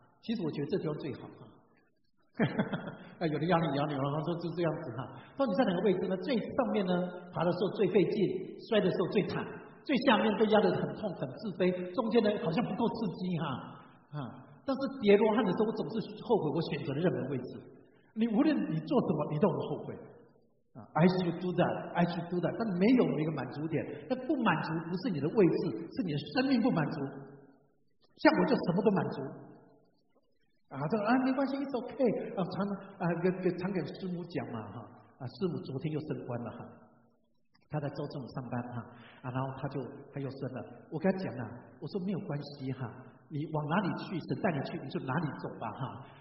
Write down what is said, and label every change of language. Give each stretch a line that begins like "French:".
Chinese: 其实我觉得这地方最好哈，有的压你压你，然后说就这样子哈。到底在哪个位置呢？最上面呢，爬的时候最费劲，摔的时候最惨，最下面被压得很痛很自卑，中间呢好像不够刺激哈。但是跌落汉的时候，我总是后悔我选择了任何位置。你无论你做什么，你都会后悔。
English: I should do that, I should do that，
Chinese: 但没有一个满足点。那不满足不是你的位置，是你的生命不满足。像我就什么都满足。啊，这啊没关系 ，
English: it's okay。
Chinese: 啊，常啊给常给师母讲嘛哈。啊，师母昨天又升官了哈。他在州政府上班哈，啊，然后他又生了。我跟他讲了，我说没有关系哈，你往哪里去，神带你去，你就哪里走吧哈。